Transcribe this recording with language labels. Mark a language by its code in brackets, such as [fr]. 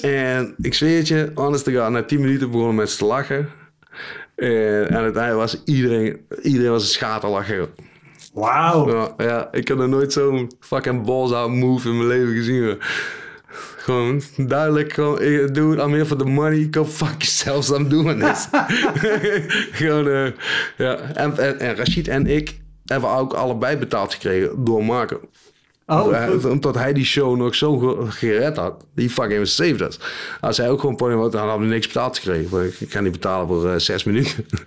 [nl] En ik zweer het je, [en] honest to God, [nl] na 10 minuten begonnen met te lachen. En aan het einde was iedereen was een schaterlacher. Wauw. Ja, ik heb nog nooit zo'n [en] fucking balls-out move [nl] in mijn leven gezien. Gewoon duidelijk, gewoon, [en] dude, I'm here for the money. Go fuck yourself, I'm doing this. [nl] Gewoon, ja. En Rashid en ik hebben ook allebei betaald gekregen door Marco. Oh. Omdat hij die show nog zo gered had. Die [en] fucking saved us. [nl] Als hij ook gewoon podium had, dan hadden we niks betaald gekregen. Ik kan niet betalen voor 6 minuten.